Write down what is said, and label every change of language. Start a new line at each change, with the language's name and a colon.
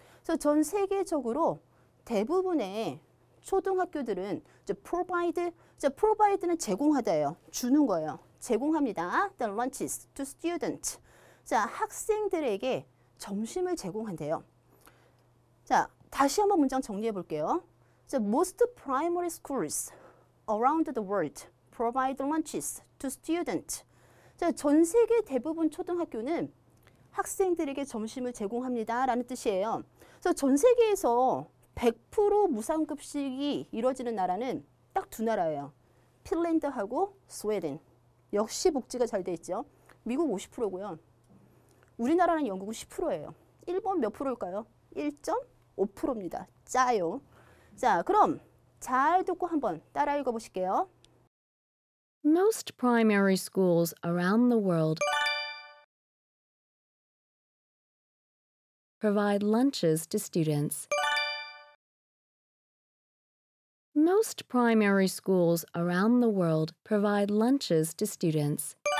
Korean: 그래서 전 세계적으로 대부분의 초등학교들은 이제 provide. 자, provide는 제공하다예요. 주는 거예요. 제공합니다.
English: The lunches to students.
Korean: 자, 학생들에게 점심을 제공한대요. 자, 다시 한번 문장 정리해 볼게요.
English: The most primary schools around the world provide lunches to students.
Korean: 자, 전 세계 대부분 초등학교는 학생들에게 점심을 제공합니다 라는 뜻이에요. 그래서 전 세계에서 100% 무상급식이 이루어지는 나라는 딱 두 나라예요. 핀란드하고 스웨덴. 역시 복지가 잘 돼 있죠. 미국 50%고요. 우리나라는 영국은 10%예요. 일본 몇 프로일까요? 1.5%입니다. 짜요. 자, 그럼 잘 듣고 한번 따라 읽어 보실게요.
English: Most primary schools around the world provide lunches to students. Most primary schools around the world provide lunches to students.